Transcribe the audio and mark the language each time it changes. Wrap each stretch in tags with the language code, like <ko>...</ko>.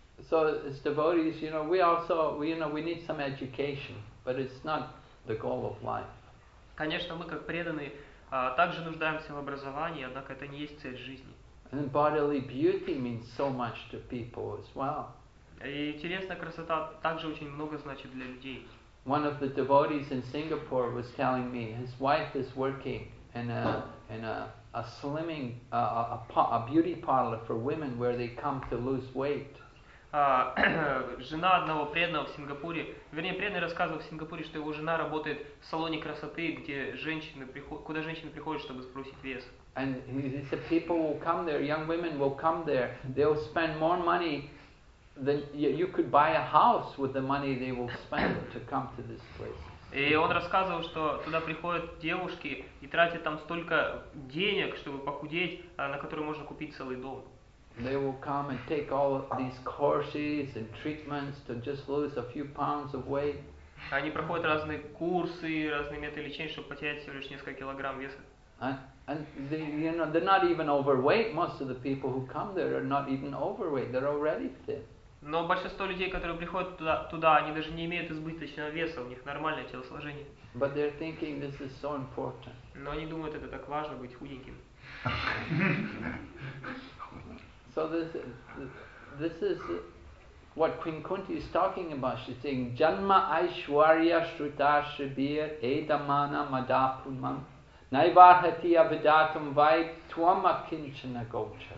<en>So as devotees, you know, we also, you know, we need some education, but it's not the goal of life.</en> <ru>Конечно, мы как преданные также нуждаемся в образовании, однако это не есть цель жизни.</ru> <en>And bodily beauty means so much to people as well.</en> <ru>И телесная красота также очень много значит для людей.</ru> <en>One of the devotees in Singapore was telling me his wife is working in a beauty parlor for women where they come to lose weight.</en> <ru>Жена одного преданного в Сингапуре, вернее, преданный рассказывал в Сингапуре, что его жена работает в салоне красоты, где женщины приходят, куда женщины приходят, чтобы сбросить вес.</ru> <en>And he said people will come there, young women will come there, they'll spend more money than you could buy a house with the money they will spend to come to this place.</en> <ru>И он рассказывал, что туда приходят девушки и тратят там столько денег, чтобы похудеть, на которые можно купить целый дом.</ru> <en>They will come and take all of these courses and treatments to just lose a few pounds of weight.</en> <ru>Они проходят разные курсы, разные методы лечения, чтобы потерять всего лишь несколько килограмм веса.</ru> <en>And they, you know, they're not even overweight. Most of the people who come there are not even overweight. They're already thin.</en> <ru>Но большинство людей, которые приходят туда, они даже не имеют избыточного веса. У них нормальное телосложение.</ru> <en>But they're thinking this is so important.</en> <ru>Но они думают, это так важно быть худеньким.</ru> <en>So this is what Queen Kunti is talking about. She's saying,</en> <sa>Janma Aishwarya Shruta Shribir Edamana Madapunam Naivahati Avidatum Vait Tuamakinchana Gochara.</sa>